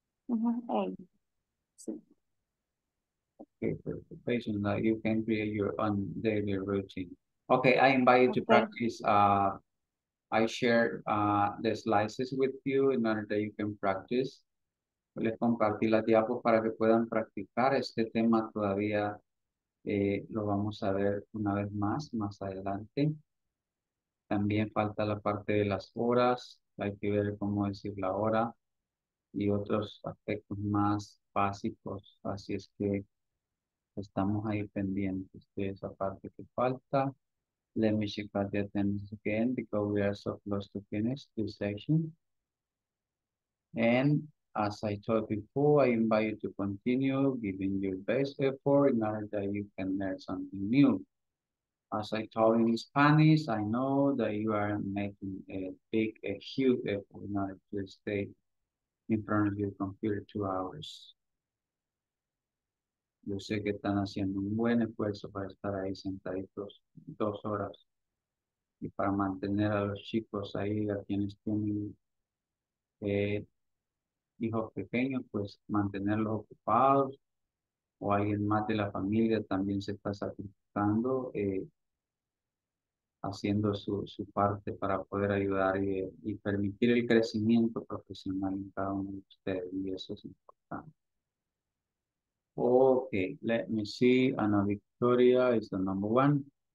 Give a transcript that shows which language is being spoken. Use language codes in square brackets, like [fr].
[en] Mm-hmm. Hey. Okay, perfect. Patient, that you can create your own daily routine. Okay, I invite you to practice. I share the slices with you in order that you can practice. [es] Les compartí las diapos para que puedan practicar este tema todavía. Lo vamos a ver una vez más adelante. También falta la parte de las horas. Hay que ver cómo decir la hora. Y otros aspectos más básicos, así es que estamos ahí pendientes de esa parte que falta. [en] Let me check out the attendance again because we are so close to finish this session. And as I told before, I invite you to continue giving your best effort in order that you can learn something new. As I told in Spanish, I know that you are making a huge effort in order to stay in front of your computer 2 hours. [es] Yo sé que están haciendo un buen esfuerzo para estar ahí sentaditos 2 horas y para mantener a los chicos ahí, a quienes tienen hijos pequeños, pues mantenerlos ocupados, o alguien más de la familia también se está sacrificando haciendo su parte para poder ayudar y permitir el crecimiento profesional en cada uno de ustedes, y eso es importante. [en] Ok, let me see, Ana Victoria is the number one.